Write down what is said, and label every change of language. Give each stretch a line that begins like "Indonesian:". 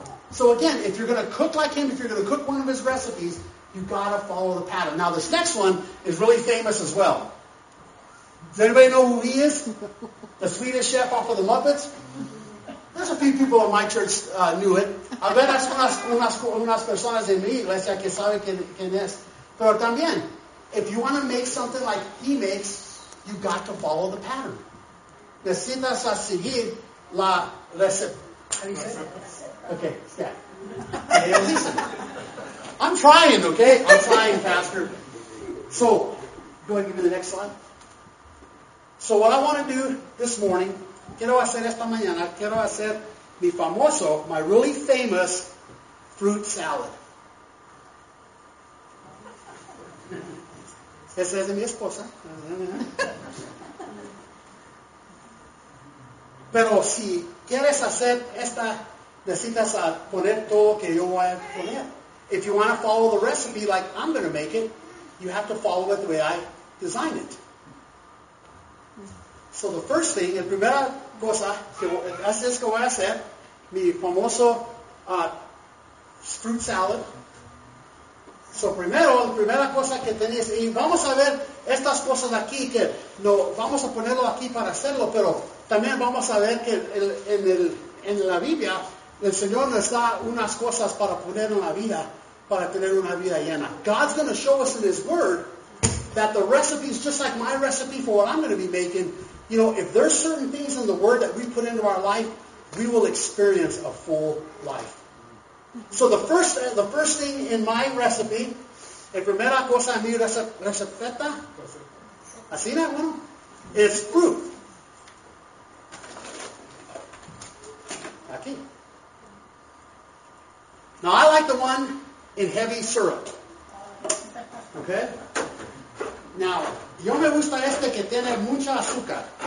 English: So again, if you're going to cook like him, if you're going to cook one of his recipes, you've got to follow the pattern. Now this next one is really famous as well. Does anybody know who he is? The Swedish chef off of the Muppets? There's a few people in my church knew it.
Spanish: A veces unas personas en mi iglesia que saben quién es.
English: Pero también, if you want to make something like he makes, you got to follow the pattern.
Spanish: Necesitas a seguir la receta. How do you say it?
English: Okay, yeah. I'm trying, okay? I'm trying, Pastor. So, go ahead and give me the next slide. So what I want to do this morning, quiero hacer esta mañana, quiero hacer mi famoso, my really famous fruit salad.
Spanish: Esa es de mi esposa. Pero si quieres hacer esta, necesitas poner todo que yo voy a poner.
English: If you want to follow the recipe like I'm going to make it, you have to follow it the way I design it.
Spanish: So the first thing, la primera cosa que haces que voy a hacer, mi famoso fruit salad. So primero, la primera cosa que tenéis, y vamos a ver estas cosas aquí, que no vamos a ponerlo aquí para hacerlo, pero también vamos a ver que en la Biblia, el Señor nos da unas cosas para poner en la vida, para tener una vida llena.
English: God's going to show us in His Word that the recipe is just like my recipe for what I'm going to be making. You know, if there's certain things in the Word that we put into our life, we will experience a full life. So the first thing in my recipe, la primera cosa en mi receta, así no, bueno, is fruit.
Spanish: Aquí.
English: Now I like the one in heavy syrup. Okay?
Spanish: Now, yo me gusta este que tiene mucha azúcar.